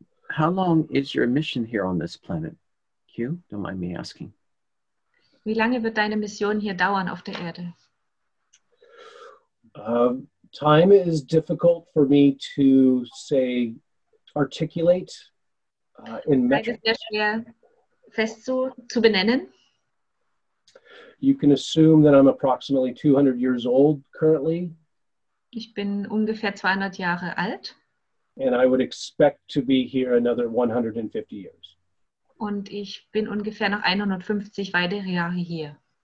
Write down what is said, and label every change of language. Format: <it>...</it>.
<en>How long is your mission here on this planet? Q, don't mind me asking.</en> <de>Wie lange wird deine Mission hier dauern auf der Erde?</de> <en>Time is difficult for me to say, articulate in metric.</en> <de>Es ist sehr schwer zu benennen.</de> <en>You can assume that I'm approximately 200 years old currently.</en> <de>Ich bin ungefähr 200 Jahre alt.</de> <en>And I would expect to be here another 150 years.</en> <de>Und ich bin ungefähr noch 150 weitere Jahre hier.</de>